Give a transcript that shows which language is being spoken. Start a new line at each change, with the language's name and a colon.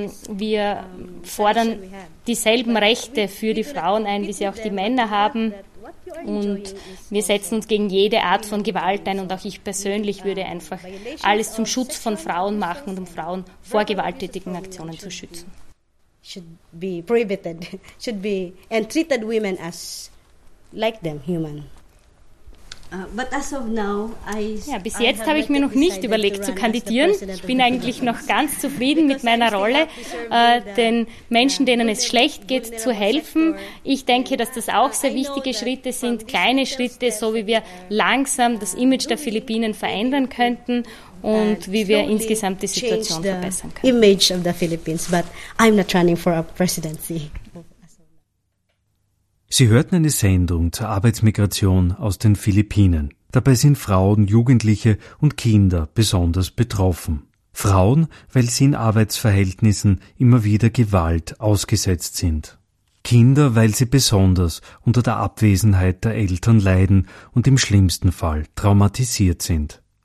German: Wir fordern dieselben Rechte für die Frauen ein, wie sie auch die Männer haben. Und wir setzen uns gegen jede Art von Gewalt ein, und auch ich persönlich würde einfach alles zum Schutz von Frauen machen und um Frauen vor gewalttätigen Aktionen zu schützen.
English: Should be prohibited, should be and treated women as like them human. But as of now,
German: bis jetzt habe ich mir noch nicht überlegt zu kandidieren. Ich bin eigentlich noch ganz zufrieden mit meiner Rolle, den Menschen, denen es schlecht geht, zu helfen. Ich denke, dass das auch sehr wichtige Schritte sind, kleine Schritte, so wie wir langsam das Image der Philippinen verändern könnten und wie wir insgesamt die Situation verbessern können.
English: Image of the Philippines, but I'm not running for a presidency.
German: Sie hörten eine Sendung zur Arbeitsmigration aus den Philippinen. Dabei sind Frauen, Jugendliche und Kinder besonders betroffen. Frauen, weil sie in Arbeitsverhältnissen immer wieder Gewalt ausgesetzt sind. Kinder, weil sie besonders unter der Abwesenheit der Eltern leiden und im schlimmsten Fall traumatisiert sind.